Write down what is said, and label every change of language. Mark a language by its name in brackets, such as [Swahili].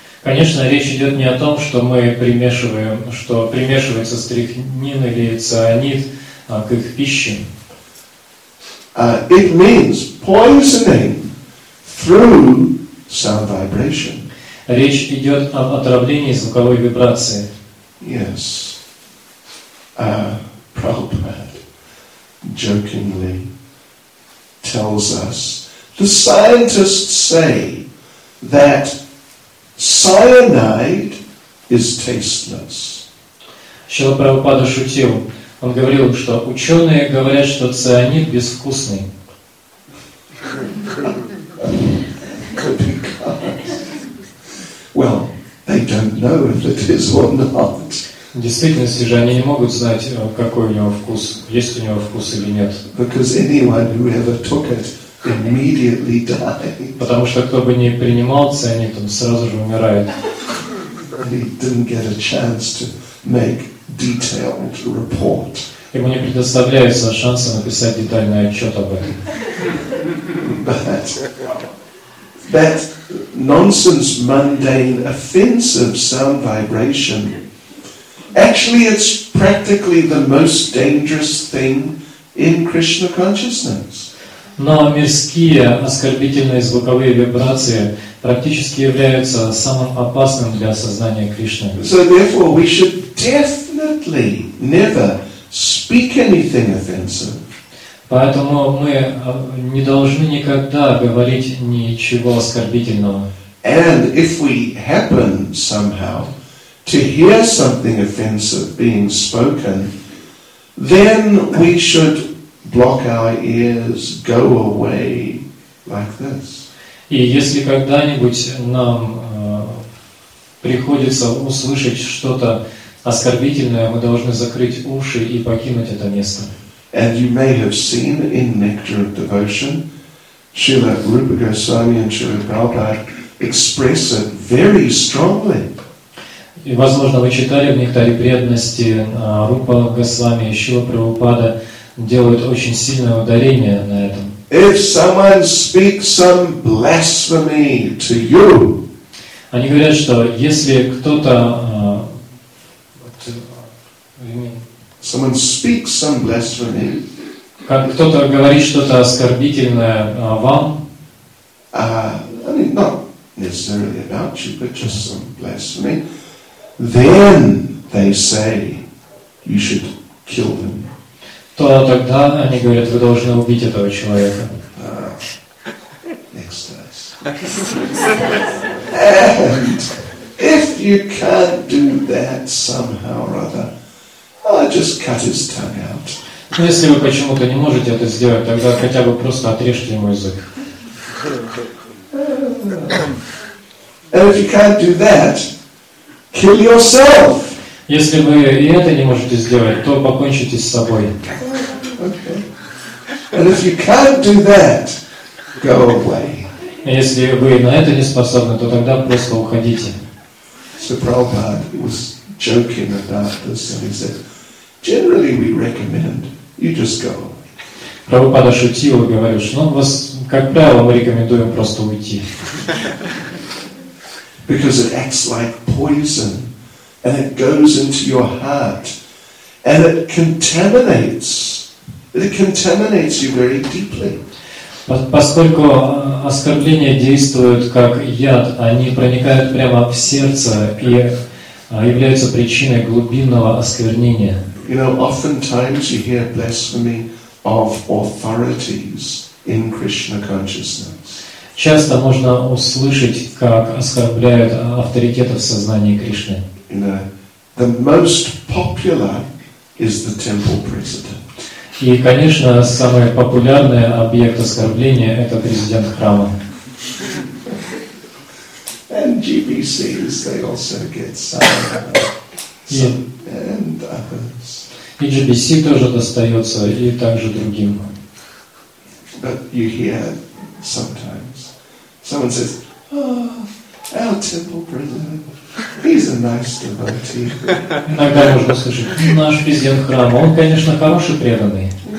[Russian] Конечно, речь идет не о том, что мы примешиваем, что примешивается стрихнин или цианид к их пище. [English] It means poisoning through sound vibration. [Russian] Речь идет об отравлении звуковой вибрации. [English] Yes. Prabhupada jokingly tells us, the scientists say that cyanide is tasteless. [Russian] Шрила Прабхупада шутил. Он говорил, что ученые говорят, что цианид безвкусный. [English] Well, they don't know if it is or not. [Russian] В действительности же они не могут знать, какой у него вкус, есть у него вкус или нет. [English] Because anyone who ever took it immediately died. [Russian] Потому что кто бы ни принимал цианид, он сразу же умирает. [English] He didn't get a chance to make detailed report. [Russian] Ему не предоставляется шанса написать детальный отчет об этом. [English] But that nonsense, mundane, offensive sound vibration. Actually, it's practically the most dangerous thing in Krishna consciousness. [Russian] Но мирские оскорбительные звуковые вибрации практически являются самым опасным для сознания Кришны. [English] So therefore, we should definitely never speak anything offensive. [Russian] Поэтому мы не должны никогда говорить ничего оскорбительного. [English] And if we happen somehow to hear something offensive being spoken, then we should block our ears, go away like this. [Russian] И если когда-нибудь нам приходится услышать что-то оскорбительное, мы должны закрыть уши и покинуть это место. [English] And you may have seen in Nectar of Devotion, Srila Rupa Goswami and Srila Prabhupada express it very strongly. [Russian] И, возможно, вы читали в Нектаре преданности, Рупа Госвами и Шрила Прабхупада делают очень сильное ударение на этом. [English] If someone speaks some blasphemy to you, [Russian] они говорят, что если кто-то [English] someone speaks some blasphemy. [Russian] Как кто-то говорит что-то оскорбительное вам? [English] Not necessarily about you, but just some blasphemy. Then they say you should kill them. [Russian] То тогда они говорят, вы должны убить этого человека. [English] Next verse. And if you can't do that somehow or other, I'll just cut his tongue out. [Russian] Но если вы почему-то не можете это сделать, тогда хотя бы просто отрежьте ему язык. [English] And if you can't do that, kill yourself. [Russian] Если вы и это не можете сделать, то покончите с собой. [English] Okay. And if you can't do that, go away. [Russian] Если вы на это не способны, то тогда просто уходите. [English] So Prabhupada was joking about this, and he said, generally we recommend you just go. [Russian] Прабхупада шутил и говорил, что вас, как правило, мы рекомендуем просто уйти. [English] Because it acts like poison, and it goes into your heart, and it contaminates you very deeply. [Russian] Поскольку оскорбления действуют как яд, они проникают прямо в сердце и являются причиной глубинного осквернения. [English] You know, oftentimes you hear blasphemy of authorities in Krishna consciousness. [Russian] Часто можно услышать, как оскорбляют авторитетов в сознании Кришны. [English] You know, the most popular is the temple president. [Russian] И, конечно, самый популярный объект оскорбления – это президент храма. [English] And GBCs, they also get some and others. [Russian] И GBC тоже достается, и также другим. [English] But you hear sometimes someone says, oh, Our temple president, he's a nice devotee. [Russian] Иногда можно слышать, наш президент храма, он, конечно, хороший преданный.